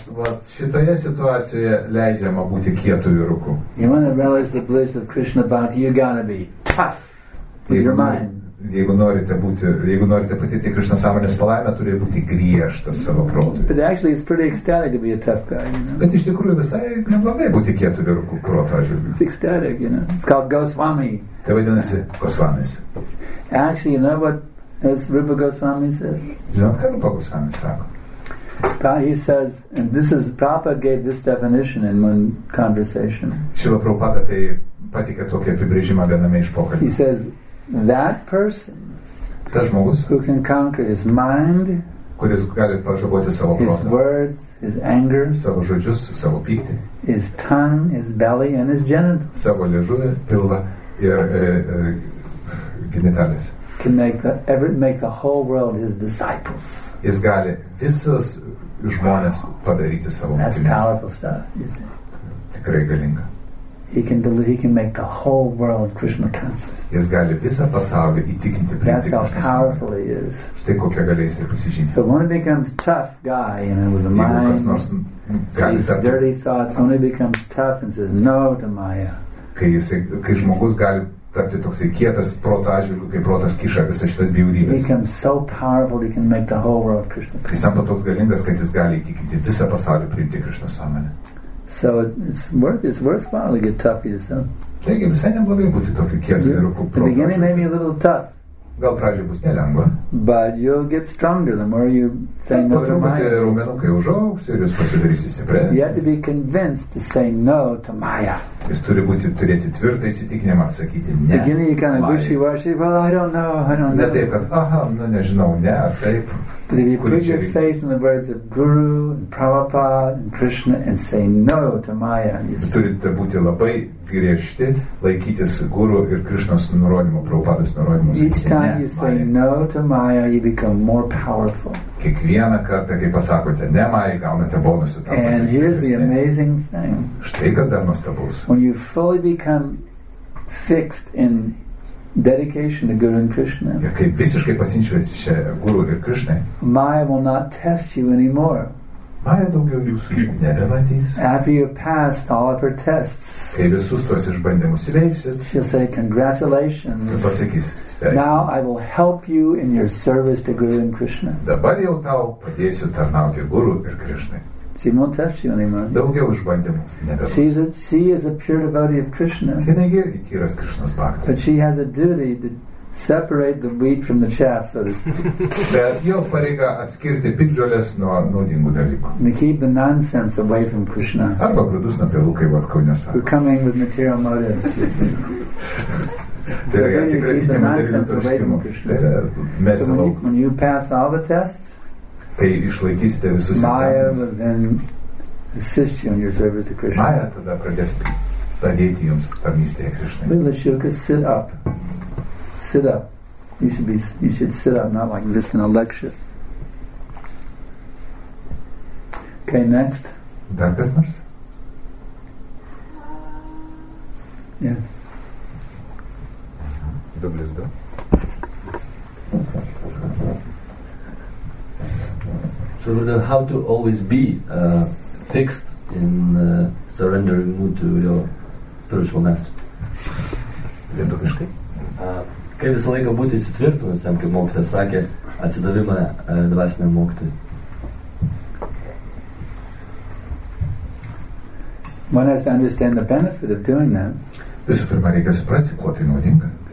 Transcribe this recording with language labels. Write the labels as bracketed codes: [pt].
[lt] Vat šitoje situacijoje leidžiama būti kietu vyruku. [en] You wanna realize the bliss of Krishna bhakti, you gotta be tough with your mind. [lt] Jeigu norite patirti Krishna sąmonės palaimę, turi būti griežtas savo protui. [en] But actually it's pretty ecstatic to be a tough guy, you know. [lt] Bet iš tikrųjų visai neblogai būti kietu vyruku proto atžvilgiu. [en] It's ecstatic, you know. It's called Goswami. [lt] Tai vadinasi Goswamis. [en] Actually, you know what Rupa Goswami says? [lt] Žinot, ką Rupa Goswami sako? [en] He says, and this is, Prabhupada gave this definition in one conversation. [lt] Šilo Prabhupada tai patikė tokį apibrėžimą viename iš pokalbių. [en] He says, that person who can conquer his mind, [lt] kuris gali pažaboti savo protą, [en] his words, his anger, [lt] savo žodžius, savo pyktį, [en] his tongue, his belly and his genitals, [lt] savo liežuvį, pilvą ir genitalis, [en] can make the whole world his disciples. [lt] Jis gali visus žmones padaryti savo mokiniais. [en] That's powerful stuff, you see. [lt] Tikrai galinga. [en] He can make the whole world Krishna conscious. [lt] Jis gali visą pasaulį įtikinti. [en] That's how powerful he is. [lt] Štai kokia galia jis pasižymi. [en] So when he becomes tough guy, you know, with a mind, [lt] kas nors gali [en] these dirty thoughts, when he becomes tough and says no to Maya. [lt] Kai žmogus gali tapti toksai kietas proto atžvilgiu, kai protas kiša visas šitas bjaurybės. [en] He becomes so powerful he can make the whole world Krishna conscious. [lt] Jis tampa toks galingas, kad jis gali įtikinti visą pasaulį priimti Krishna sąmonę. [en] So it's worthwhile to get tough for yourself. [lt] Taigi, visai neblogai būti tokiu kietu vyruku. [en] In the beginning, maybe a little tough. [lt] Gal pradžiai bus nelengva. [en] But you'll get stronger the more you say no to Maya. [lt] Tai raumenukai užaugs ir jūs pasidarysite stipresnis. [en] You have to be convinced to say no to Maya. [lt] Jis turi būti turėti tvirtą įsitikinimą atsakyti ne. [en] Beginning, you're kind of wishy-washy. Well, I don't know. [lt] Ne taip, kad aha, nu nežinau, ne, taip. [en] But if you put your faith in the words of Guru and Prabhupada and Krishna and say no to Maya, [lt] turite būti labai griežti, laikytis Guru ir Krishnos nurodymo, Prabhupados nurodymo. [en] Each time you say no to Maya, you become more powerful. [lt] Kiekvieną kartą, kai pasakote ne Maya, gaunate bonusą. [en] And here's the amazing thing. [lt] Štai kas dar nuostabus. [en] When you fully become fixed in dedication to Guru and Krishna, [lt] ir kai visiškai pasinčiuojate šią Guru ir Krishna, [en] Maya will not test you anymore. [lt] Maya daugiau jūsų nebematys. [en] After you pass all of her tests, [lt] kai visus tuos išbandymus įveiksit, [en] she'll say, congratulations. [lt] Ir pasakys, [en] now I will help you in your service to Guru and Krishna. [lt] Dabar jau tau padėsiu tarnauti Guru ir Krishna. [en] She won't test you anymore. [lt] Daugiau išbandymų nebebus. [en] She is a pure devotee of Krishna. [lt] Jinai irgi tyras Krishnos bhaktas. [en] But she has a duty to separate the wheat from the chaff, so to speak. [lt] Bet jos pareiga atskirti piktžoles nuo naudingų dalykų. [en] And keep the nonsense away from Krishna. [lt] Arba grūdus nuo pelų, kaip Kaune sako. [en] We're coming with material motives. So you keep the nonsense away from Krishna. When you pass all the tests, [lt] kai išlaikysite visus egzaminus, Maya tada pradės padėti jums tarnystėje Krishnai. [en] Lila Shilka, sit up. Sit up. You should sit up, not like this in a lecture. Okay, next. [lt] Dar kas nors? [ru] Dublis, да? [en] So how to always be fixed in surrendering mood to your spiritual master? [lt] Lietuviškai? Kaip visą laiką būti įsitvirtinusiam, kaip mokytas sakė, atsidavimą dvasiniam mokytojui. [en] One has to understand the benefit of doing that. [lt] Visų pirma, reikia suprasti, kuo tai naudinga.